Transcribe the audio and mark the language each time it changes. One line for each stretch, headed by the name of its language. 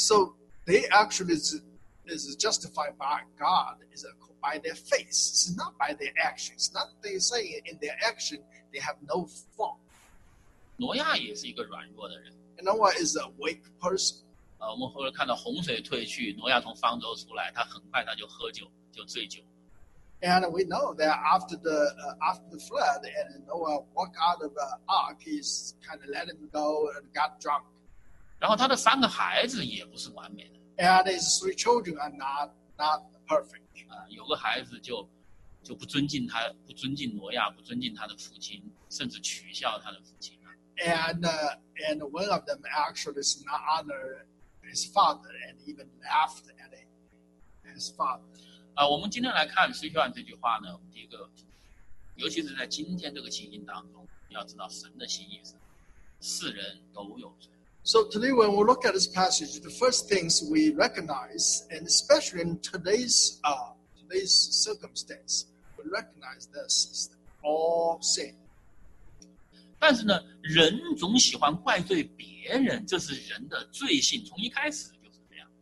English: So they actually is justified by God is by their faith, it's not by their actions. Not they say in their action they have no fault.
Chinese: 挪亚也是一个软弱的人。
English: And Noah is a weak person.
Chinese: 我们后来看到洪水退去，挪亚从方舟出来，他很快他就喝酒，就醉酒。
English: And we know that after the flood, and Noah walk out of the ark, he's kind of let him go and got drunk.
Chinese: 然后他的三个孩子也不是完美的。
English: And his three children are not perfect.
Chinese: 有个孩子就不尊敬他，不尊敬挪亚，不尊敬他的父亲，甚至取笑他的父亲。
English: And one of them actually is not honored his father and even laughed at his father.
Chinese: 我们今天来看诗篇这句话呢，第一个，尤其是在今天这个情形当中，要知道神的心意是世人都有罪。
English: So today when we look at this passage, the first things we recognize, and especially in today's circumstance, we recognize this is all sin.
Chinese: 但是呢，人总喜欢怪罪别人。别人这是人的罪性，从一开始就是这样。